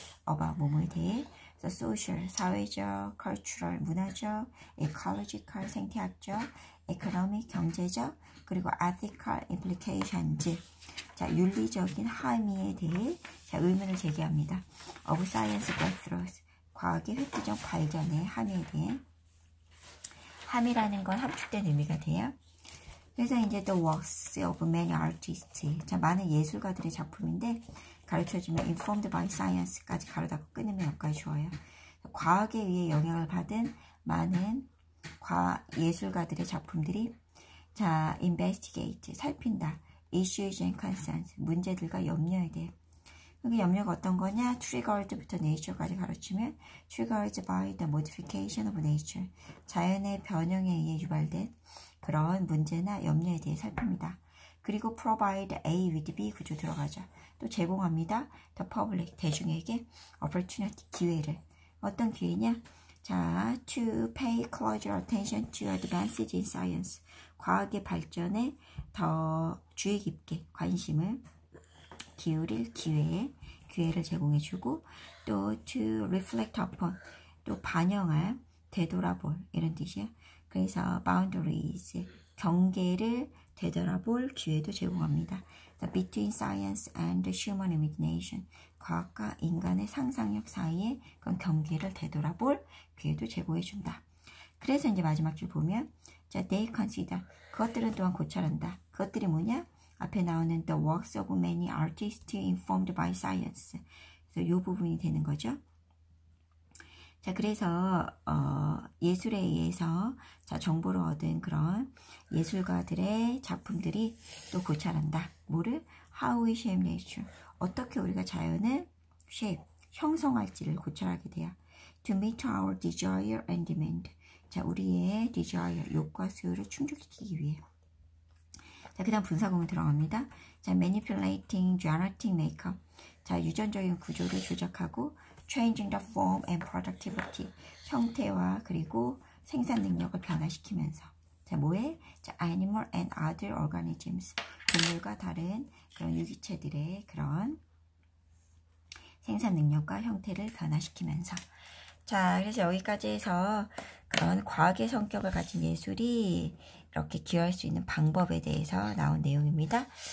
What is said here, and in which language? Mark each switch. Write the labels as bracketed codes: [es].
[ko] 어바, 뭐뭐에 대해 소셜, 사회적, 컬처럴, 문화적, 에콜로지컬, 생태학적, 에코노믹, 경제적, 그리고 에티컬 임플리케이션즈. 자, 윤리적인 함의에 대해 자, 의문을 제기합니다. [en] of science breakthroughs, [ko] 과학의 획기적 발견의 함의에 대해. 함의라는 건 함축된 의미가 돼요. 그래서 이제 [en] the works of many artists. [ko] 자, 많은 예술가들의 작품인데, 가르쳐주면 [en] informed by science [ko] 까지 가로닫고 끊으면 여기까지 좋아요. 과학에 의해 영향을 받은 많은 예술가들의 작품들이 자 investigate 살핀다 [en] issues and concerns [ko] 문제들과 염려에 대해 그 염려가 어떤 거냐 triggered부터 nature까지 가르치면 [en] triggered by the modification of nature [ko] 자연의 변형에 의해 유발된 그런 문제나 염려에 대해 살핍니다. 그리고 provide A with B 구조 들어가죠. 또 제공합니다. [en] The public, [ko] 대중에게 [en] opportunity, [ko] 기회를. 어떤 기회냐? [en] 자, to pay closer attention to advances in science. [ko] 과학의 발전에 더 주의 깊게 관심을 기울일 기회를 제공해주고, 또 [en] to reflect upon, [ko] 또 반영할, 되돌아볼, 이런 뜻이야. 그래서 boundaries, 경계를 되돌아볼 기회도 제공합니다. [en] The between science and human imagination, [ko] 과학과 인간의 상상력 사이에 그런 경계를 되돌아볼 기회도 제공해준다. 그래서 이제 마지막 줄 보면 자, [en] they consider, [ko] 그것들은 또한 고찰한다. 그것들이 뭐냐? [en] 앞에 나오는 the works of many artists informed by science. [ko] 그래서 이 부분이 되는 거죠. 자, 그래서 예술에 의해서 자, 정보를 얻은 그런 예술가들의 작품들이 또 고찰한다. 뭐를? [en] How we shape nature. [ko] 어떻게 우리가 자연을 shape, 형성할지를 고찰하게 돼요. [en] To meet our desire and demand. [ko] 자, 우리의 desire, 욕과 수요를 충족시키기 위해. 자, 그 다음 분사구문 들어갑니다. [en] 자, manipulating, generating makeup. [ko] 자, 유전적인 구조를 조작하고, [en] changing the form and productivity. [ko] 형태와 그리고 생산 능력을 변화시키면서. 자, 뭐에? [en] 자, animal and other organisms. [ko] 동물과 다른 그런 유기체들의 그런 생산 능력과 형태를 변화시키면서. 자, 그래서 여기까지 해서 그런 과학의 성격을 가진 예술이 이렇게 기여할 수 있는 방법에 대해서 나온 내용입니다.